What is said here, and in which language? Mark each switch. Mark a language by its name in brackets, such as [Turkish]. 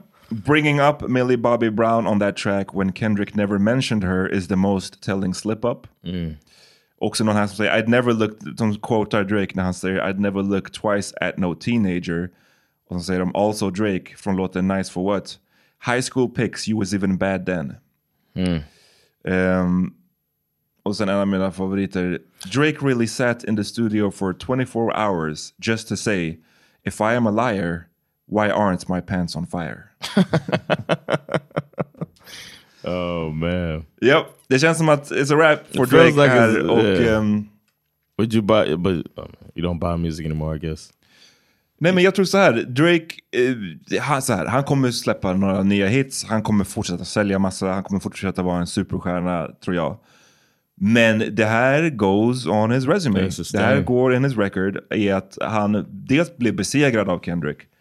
[English] bringing up Millie Bobby Brown on that track when Kendrick never mentioned her is the most telling slip up. [Swedish] Också någon här som säger, [English] I'd never look, [Swedish] som quotar Drake när han säger, [English] I'd never look twice at no teenager. [Swedish] Och så säger de, also Drake från låten Nice For What. [English] High school pics, you was even bad then. [Swedish] Och sen en av mina favoriter. [English] Drake really sat in the studio for 24 hours just to say, if I am a liar, why aren't my pants on fire? Oh man. [Swedish] Yep, det känns som att [English] it's a wrap for it Drake. [Swedish] Like här, och, [English] would you buy, but you don't buy music anymore, I guess. [Swedish] Nej, men jag tror så här, Drake, han kommer släppa några nya hits, han kommer fortsätta sälja massa, han kommer fortsätta vara en superstjärna, tror jag. Men det här [English] goes on his resume. [Swedish] Det här går in [English] his record [Swedish] i att han dels blev besegrad av Kendrick.